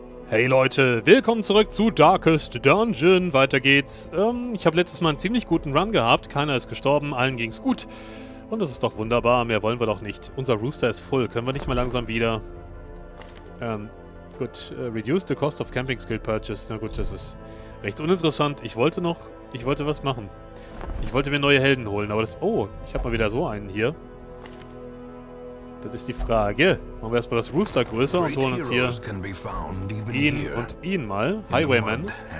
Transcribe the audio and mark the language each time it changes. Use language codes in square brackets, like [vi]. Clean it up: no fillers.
[de] Hey Leute, willkommen zurück zu Darkest Dungeon. Weiter geht's. Ich habe letztes Mal einen ziemlich guten Run gehabt. Keiner ist gestorben, allen ging's gut. Und das ist doch wunderbar, mehr wollen wir doch nicht. Unser Rooster ist voll, können wir nicht mal langsam wieder... [en] Gut, reduce the cost of camping skill purchase. [de] Na gut, das ist recht uninteressant. Ich wollte was machen. Ich wollte mir neue Helden holen, aber das... Oh, ich habe mal wieder so einen hier. Das ist die Frage. Machen wir erstmal das Rooster größer und holen uns hier ihn und ihn mal. Highwayman.